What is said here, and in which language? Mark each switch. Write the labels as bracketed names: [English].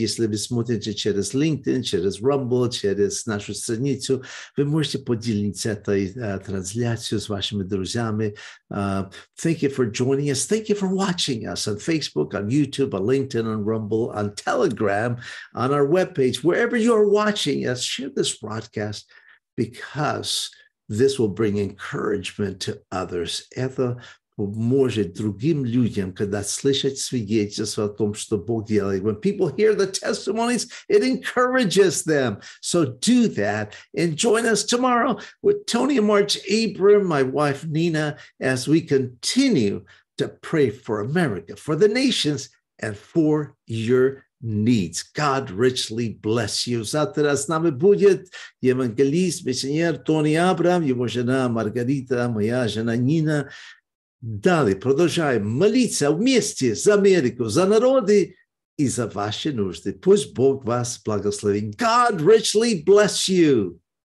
[Ukrainian] Якщо ви смотрите через LinkedIn, через Rumble, через нашу страницю, ви можете поділитися цією трансляцією з вашими друзями. [English] Thank you for joining us. Thank you for watching us on Facebook, on YouTube, on LinkedIn, on Rumble, on Telegram, on our webpage. Wherever you are watching us, share this broadcast, because this will bring encouragement to others. [Russian] Это поможе другим людям, когда слышат свидетельство о том, что Бог делает. [English] When people hear the testimonies, it encourages them. So do that and join us tomorrow with Tony and March Abram, my wife Nina, as we continue to pray for America, for the nations, and for your needs. God richly bless you. [Ukrainian] Завтра з нами буде євангеліст, місіонер Тони Абрам, його жена Маргарита, моя жена Ніна. Далі продовжаємо молитися вместе за Америку, за народи і за ваші нужди. Пусть Бог вас благословить. [English] God richly bless you.